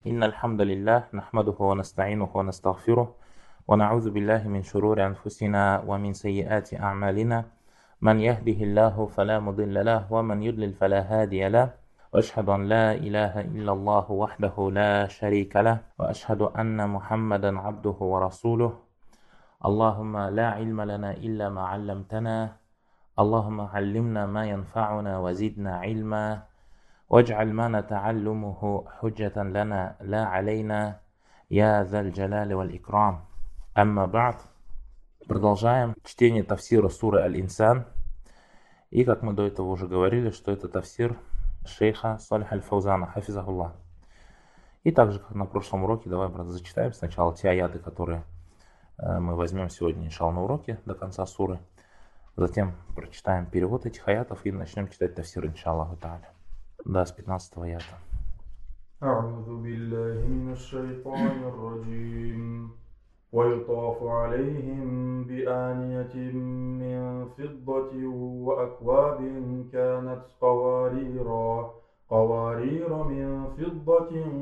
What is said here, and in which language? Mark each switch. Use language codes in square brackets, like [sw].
[ar] إن الحمد لله نحمده ونستعينه ونستغفره ونعوذ بالله من شرور أنفسنا ومن سيئات أعمالنا، من يهده الله فلا مضل له ومن يضلل فلا هادي له، وأشهد أن لا إله إلا الله وحده لا شريك له، وأشهد أن محمدا عبده ورسوله. اللهم لا علم لنا إلا ما علمتنا، اللهم علمنا ما ينفعنا وزدنا علما، واجعل ما نتعلمه حجة لنا لا علينا يا ذا الجلال والإكرام. أما بعد، [ru] продолжаем чтение тафсира суры Аль-Инсан. И как мы до этого уже говорили, что это тафсир шейха Салих Аль-Фаузана, хафизахуллах. И также, как на прошлом уроке, давай, брат, зачитаем сначала те аяты, которые мы возьмем сегодня, иншаллах, на уроке до конца суры. Затем прочитаем перевод этих аятов и начнем читать тафсир, иншаллаху та'аля. Да, с 15-го аята. [ar] أعوذ بالله من الشيطان الرجيم ويطاف عليهم بآنية من فضة وأكواب كانت قواريرا قوارير من فضة